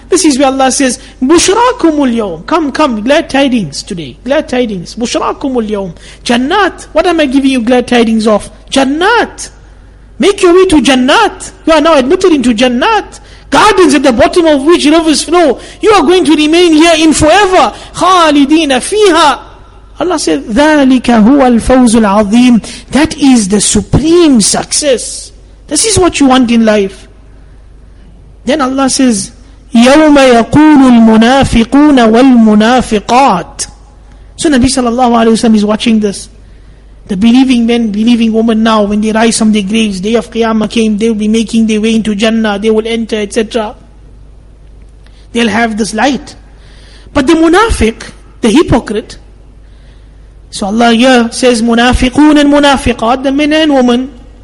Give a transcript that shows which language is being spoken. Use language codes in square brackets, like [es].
[en] This is where Allah says, [ar] بُشْرَاكُمُ الْيَوْمِ. [en] Come, glad tidings today. Glad tidings. [ar] بُشْرَاكُمُ الْيَوْمِ. [en] Jannat. What am I giving you glad tidings of? Jannat. Make your way to Jannat. You are now admitted into Jannat. Gardens at the bottom of which rivers flow. You are going to remain here in forever. [ar] خَالِدِينَ فِيهَا. [en] Allah said, [ar] ذَلِكَ هُوَ الْفَوْزُ الْعَظِيمُ. [en] That is the supreme success. This is what you want in life. Then Allah says, [ar] يَوْمَ يَقُولُ الْمُنَافِقُونَ وَالْمُنَافِقَاتِ. [en] So Nabi sallallahu alayhi wa sallam is watching this. The believing men, believing women now, when they rise from their graves, day of Qiyamah came, they will be making their way into Jannah, they will enter, etc. They'll have this light. But the munafiq, the hypocrite, so Allah here says, munafiqun and munafiqat, the men and women,